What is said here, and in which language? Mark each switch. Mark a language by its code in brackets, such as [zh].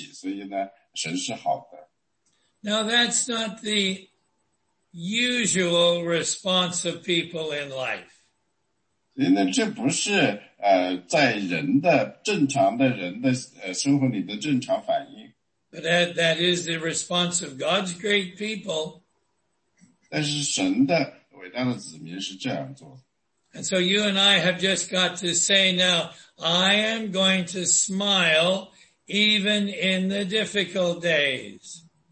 [zh] 那有时候呢，当你出现问题的时候呢，你要说呢，我要有节制，我要有微笑，因为神仍然跟我在一起，所以呢，神是好的。 [en] Now that's not the usual response of people in life. [zh] 那这不是在人的正常的人的生活里的正常反应。 [en] But that is the response of God's great people. And so you and I have just got to say now, I am going to smile even in the difficult days.